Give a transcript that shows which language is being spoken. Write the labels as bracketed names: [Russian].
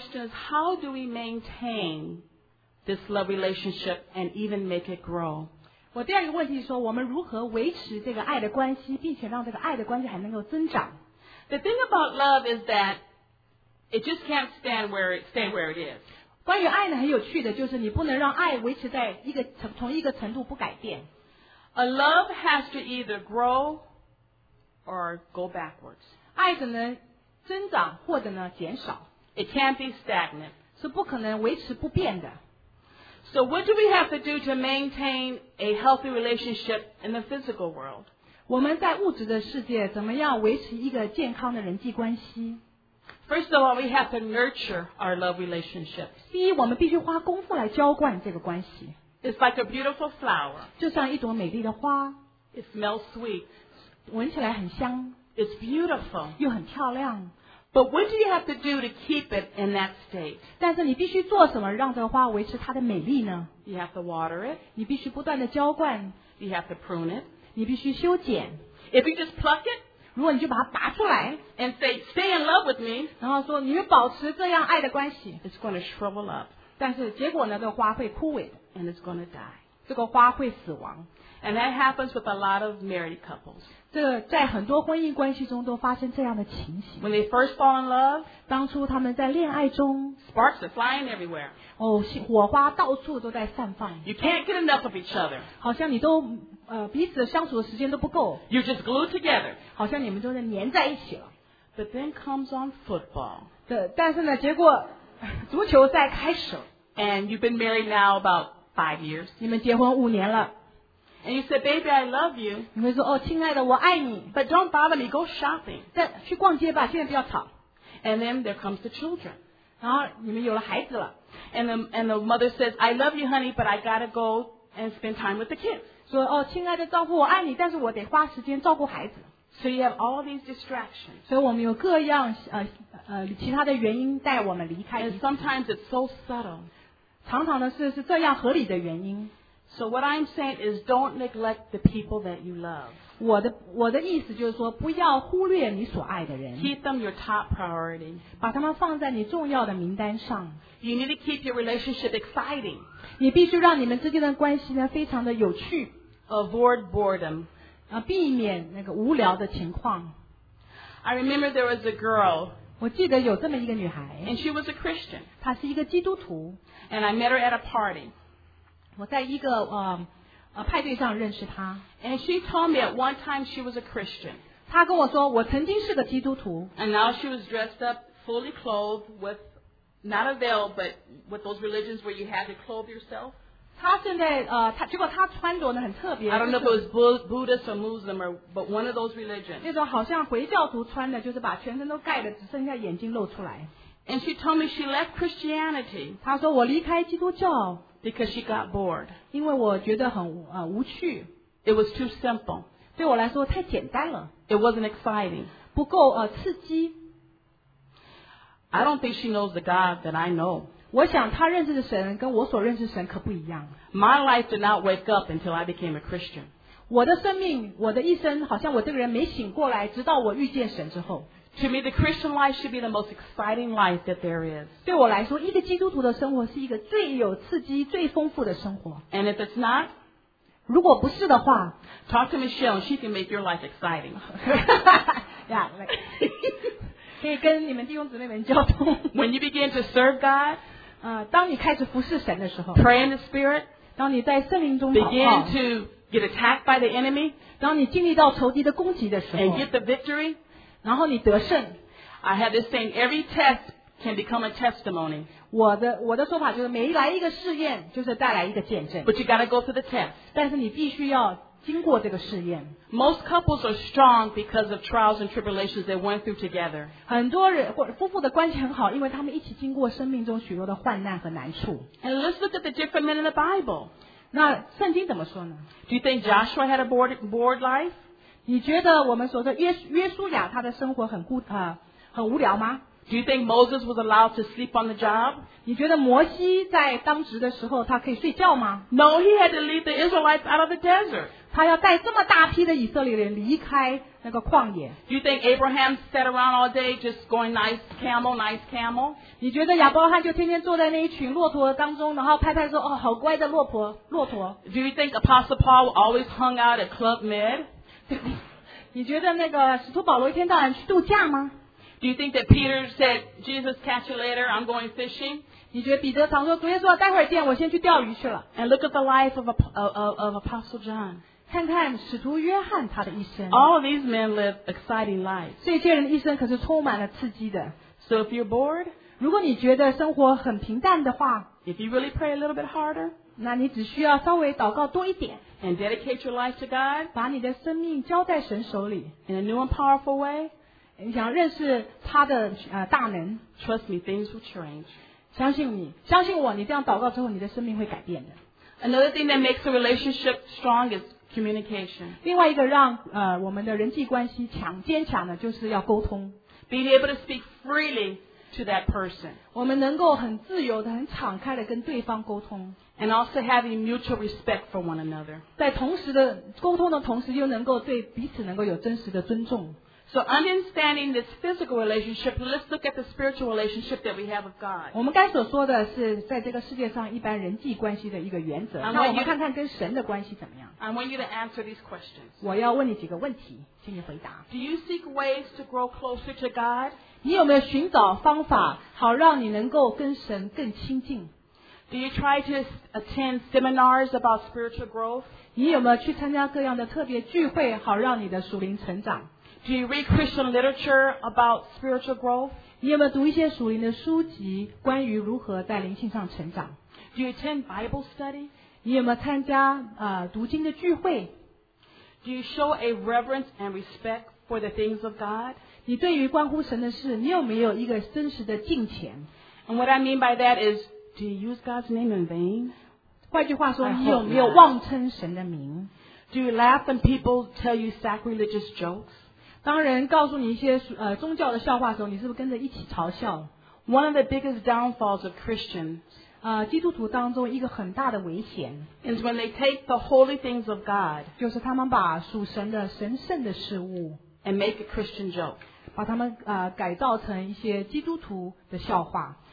[English] how do we maintain this love relationship and even make it grow? [Chinese] 我第二个问题是说，我们如何维持这个爱的关系，并且让这个爱的关系还能够增长？ [English] The thing about love is that it just can't stay where it is. [Chinese] 关于爱呢，很有趣的就是你不能让爱维持在一个同一个程度不改变。 [English] A love has to either grow or go backwards. [Chinese] 爱只能增长或者呢减少。 [English] It can't be stagnant. [Chinese] 是不可能维持不变的。 [English] So what do we have to do to maintain a healthy relationship in the physical world? [Chinese] 我们在物质的世界怎么样维持一个健康的人际关系？ [English] First of all, we have to nurture our love relationships. [Chinese] 第一，我们必须花功夫来浇灌这个关系。 [English] It's like a beautiful flower. [Chinese] 就像一朵美丽的花。 [English] It smells sweet. [Chinese] 闻起来很香。 [English] It's beautiful. [Chinese] 又很漂亮。 [English] But what do you have to do to keep it in that state? [Chinese] 但是你必须做什么让这个花维持它的美丽呢？ [English] You have to water it. [Chinese] 你必须不断的浇灌。 [English] You have to prune it. [Chinese] 你必须修剪。 [English] If you just pluck it, [Chinese] 如果你就把它拔出来 [English] and say, stay in love with me, [Chinese] 然后说你们保持这样爱的关系 [English] it's going to shrivel up. [Chinese] 但是结果呢，这个花会枯萎的 [English] and it's going to die. [Chinese] 这个花会死亡。 [English] And that happens with a lot of married couples. [Chinese] 这在很多婚姻关系中都发生这样的情形。 [English] When they first fall in love, [Chinese] 当初他们在恋爱中 [English] sparks are flying everywhere. [Chinese] 哦，火花到处都在散放。 [English] You can't get enough of each other. [Chinese] 好像你都彼此相处的时间都不够。 [English] You're just glued together. [Chinese] 好像你们都在粘在一起了。 [English] But then comes on football. [Chinese] 但是呢，结果足球赛开始了。 [English] And you've been married now about 5 years. [Chinese] 你们结婚五年了。 [English] And you say, baby, I love you. [Chinese] 你会说哦，亲爱的，我爱你。 [English] But don't bother me. Go shopping. [Chinese] 去逛街吧，现在不要吵。 [English] And then there comes the children. [Chinese] 然后你们有了孩子了。 [English] And the mother says, I love you, honey, but I gotta go and spend time with the kids. [Chinese] 说哦，亲爱的丈夫，我爱你，但是我得花时间照顾孩子。 [English] So you have all these distractions. [Chinese] 所以我们有各样其他的原因带我们离开。 [English] And sometimes it's so subtle. [Chinese] 常常呢是这样合理的原因。 [English] So what I'm saying is don't neglect the people that you love. [Chinese] 我的意思就是说不要忽略你所爱的人。 [English] Keep them your top priority. [Chinese] 把他们放在你重要的名单上。 [English] You need to keep your relationship exciting. [Chinese] 你必须让你们之间的关系呢非常的有趣。 [English] Avoid boredom. [Chinese] 避免那个无聊的情况。 [English] I remember there was a girl. [Chinese] 我记得有这么一个女孩。 [English] And she was a Christian. [Chinese] 她是一个基督徒。 [English] And I met her at a party. [Chinese] 我在一个派对上认识她。 [English] And she told me at one time she was a Christian. [Chinese] 她跟我说我曾经是个基督徒。 [English] And now she was dressed up fully clothed with not a veil, but with those religions where you had to clothe yourself. [Chinese] 她现在结果她穿着得很特别。 [English] I don't know if it was Buddhist or Muslim, but one of those religions. [Chinese] 那种好像回教徒穿的就是把全身都盖得只剩下眼睛露出来。 [English] And she told me she left Christianity. [Chinese] 她说我离开基督教。 [English] Because she got bored. [Chinese] 因为我觉得很无趣。 [English] It was too simple. [Chinese] 对我来说太简单了。 [English] It wasn't exciting. [Chinese] 不够刺激。 [English] I don't think she knows the God that I know. [Chinese] 我想她认识的神跟我所认识的神可不一样。 [English] My life did not wake up until I became a Christian. [Chinese] 我的生命，我的一生，好像我这个人没醒过来，直到我遇见神之后。 [English] To me, the Christian life should be the most exciting life that there is. [Chinese] 对我来说，一个基督徒的生活是一个最有刺激、最丰富的生活。 [English] And if it's not, [Chinese] 如果不是的话 [English] talk to Michelle, she can make your life exciting. Yeah, like, [Chinese] 可以跟你们弟兄姊妹们交通。 [English] When you begin to serve God, [Chinese] 当你开始服侍神的时候 [English] pray in the Spirit, [Chinese] 当你在圣灵中祷告 [English] begin to get attacked by the enemy, [Chinese] 当你经历到仇敌的攻击的时候 [English] and get the victory, [Chinese] 然后你得胜。 [English] I have this saying, every test can become a testimony. [Chinese] 我的说法就是，每来一个试验，就是带来一个见证。 [English] But you gotta go through the test. [Chinese] 但是你必须要经过这个试验。 [English] Most couples are strong because of trials and tribulations they went through together. [Chinese] 很多人或夫妇的关系很好，因为他们一起经过生命中许多的患难和难处。 [English] And let's look at the different men in the Bible. [Chinese] 那圣经怎么说呢？ [English] Do you think Joshua had a bored life? [Chinese] 你觉得我们所说约书亚他的生活很无聊吗？ [English] Do you think Moses was allowed to sleep on the job? [Chinese] 你觉得摩西在当职的时候他可以睡觉吗？ [English] No, he had to lead the Israelites out of the desert. [Chinese] 他要带这么大批的以色列人离开那个旷野。 [English] Do you think Abraham sat around all day just going nice camel, nice camel? [Chinese] 你觉得亚伯拉罕就天天坐在那一群骆驼当中然后拍拍说哦，好乖的骆驼。 [English] Do you think Apostle Paul always hung out at Club Med? [Chinese] 你觉得那个使徒保罗一天到晚去度假吗？ [English] Do you think that Peter said, Jesus, catch you later, I'm going fishing? [Chinese] 你觉得彼得常说，主耶稣啊，待会儿见，我先去钓鱼去了。 [English] And look at the life of Apostle John. [Chinese] 看看使徒约翰他的一生。 [English] All of these men live exciting lives. [Chinese] 这些人的一生可是充满了刺激的。 [English] So if you're bored, [Chinese] 如果你觉得生活很平淡的话 [English] if you really pray a little bit harder, [Chinese] 那你只需要稍微祷告多一点 [English] and dedicate your life to God, [Chinese] 把你的生命交在神手里 [English] in a new and powerful way, [Chinese] 想认识他的大能。 [English] Trust me, things will change. [Chinese] 相信你，相信我，你这样祷告之后，你的生命会改变的。 [English] Another thing that makes a relationship strong is communication. [Chinese] 另外一个让我们的人际关系强坚强的，就是要沟通。 [English] Being able to speak freely to that person. [Chinese] 我们能够很自由的、很敞开的跟对方沟通。 [English] And also having mutual respect for one another. [Chinese] 在同时的沟通的同时，又能够对彼此能够有真实的尊重。 [English] So understanding this physical relationship, let's look at the spiritual relationship that we have with God. [Chinese] 我们该所说的是在这个世界上一般人际关系的一个原则。那我们看看跟神的关系怎么样。 [English] I want you to answer these questions. [Chinese] 我要问你几个问题，请你回答。 [English] Do you seek ways to grow closer to God? [Chinese] 你有没有寻找方法好让你能够跟神更亲近？ [English] Do you try to attend seminars about spiritual growth? [Chinese] 你有没有去参加各样的特别聚会好让你的属灵成长？ [English] Do you read Christian literature about spiritual growth? [Chinese] 你有没有读一些属灵的书籍，关于如何在灵性上成长？ [English] Do you attend Bible study? [Chinese] 你有没有参加读经的聚会？ [English] Do you show a reverence and respect for the things of God? [Chinese] 你对于关乎神的事，你有没有一个真实的敬虔？ [English] And what I mean by that is, do you use God's name in vain? [Chinese] 换句话说，你有没有妄称神的名？ [English] Do you laugh when people tell you sacrilegious jokes? [Chinese] 当人告诉你一些宗教的笑话的时候，你是不是跟着一起嘲笑？ [English] One of the biggest downfalls of Christians, [Chinese] 基督徒当中一个很大的危险 [English] is when they take the holy things of God, [Chinese] 就是他们把属神的神圣的事物 [English] and make a Christian joke, [Chinese] 把他们改造成一些基督徒的笑话。